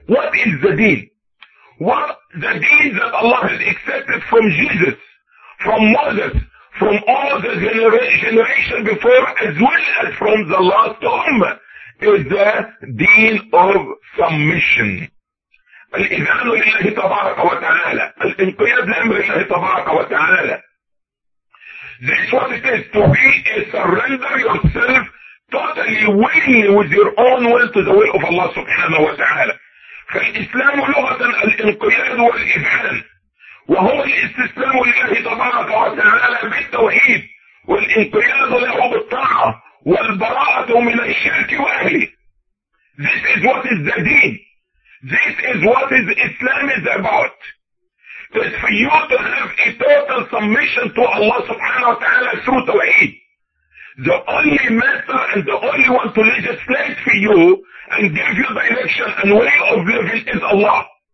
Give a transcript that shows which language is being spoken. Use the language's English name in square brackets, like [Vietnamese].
[English] What is the deen? What the deen that Allah has accepted from Jesus, from Moses, from all the generation before, as well as from the last Ummah, is the deen of submission. [Arabic] الإذان لله تبارك وتعالى الإنقياد لأمر الله تبارك وتعالى. [English] This is what it is to be a surrender yourself totally willingly with your own will to the will of Allah subhanahu wa ta'ala. [Arabic] فالإسلام لغة الإنقياد والإذان وهو الاستسلام لله تبارك وتعالى بالتوحيد والإنقياد له بالطاعة والبراءة من الشرك وأهله. [English] This is what is the deen. This is what is Islam is about. It's for you to have a total submission to Allah subhanahu wa ta'ala through Tawheed. The only master and the only one to legislate for you and give you direction and way of living is Allah.